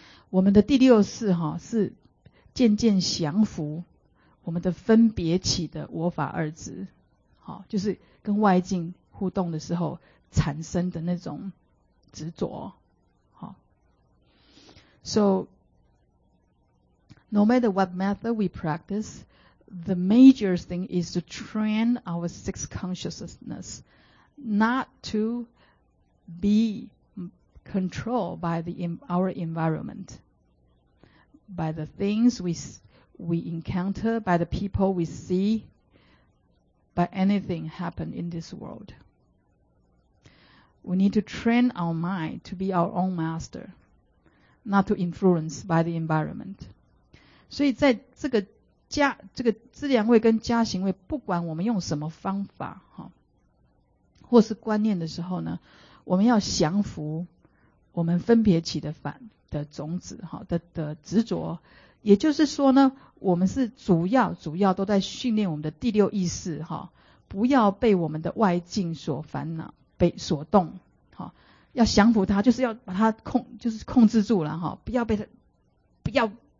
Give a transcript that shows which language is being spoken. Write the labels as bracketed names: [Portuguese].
[Chinese] 我们的第六识哈是渐渐降服我们的分别起的我法二执，好，就是跟外境互动的时候产生的那种执着，好。 [English] So, no matter what method we practice, the major thing is to train our sixth consciousness not to be controlled by our environment. By the things we encounter, by the people we see, by anything happen in this world. We need to train our mind to be our own master, not to influence by the environment. [Chinese] 所以在这个资粮位跟加行位，不管我们用什么方法，或是观念的时候呢，我们要降服我们分别起的烦的种子的执着，也就是说呢，我们是主要都在训练我们的第六意识哈，不要被我们的外境所烦恼被所动哈，要降服它，就是要把它控制住了哈，不要被它